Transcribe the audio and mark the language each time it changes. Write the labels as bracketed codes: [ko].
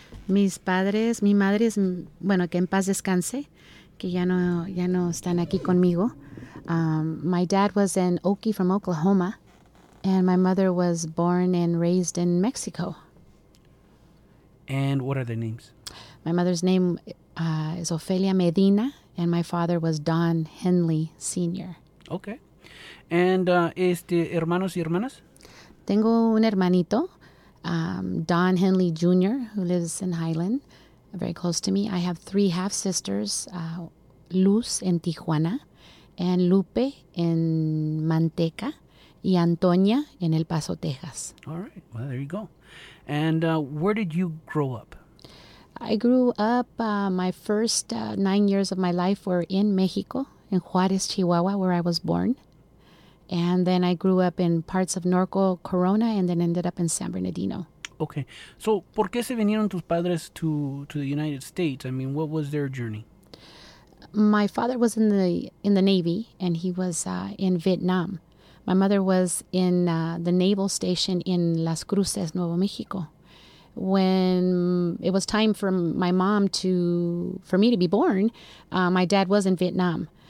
[es] Mis padres, mi madre es, bueno, que en paz descanse, que ya no están aquí conmigo. [en] My dad was in Oki from Oklahoma, and my mother was born and raised in Mexico. And what are their names? My mother's name is Ofelia Medina, and my father was Don Henley Sr. Okay. And [es] hermanos y hermanas? Tengo un hermanito, [en] Don Henley Jr., who lives in Highland, very close to me. I have three half-sisters, Luz in Tijuana, and Lupe in Manteca, [es] y [en] Antonia in El Paso, Texas. All right. Well, there you go. And where did you grow up? I grew up, my first 9 years of my life were in Mexico, in Juarez, Chihuahua, where I was born. And then I grew up in parts of Norco, Corona, and then ended up in San Bernardino. Okay. So, [es] ¿por qué se vinieron tus padres [en] to the United States? I mean, what was their journey? My father was in the Navy, and he was in Vietnam. My mother was in the naval station in Las Cruces, Nuevo México. When it was time for my mom for me to be born, my dad was in Vietnam.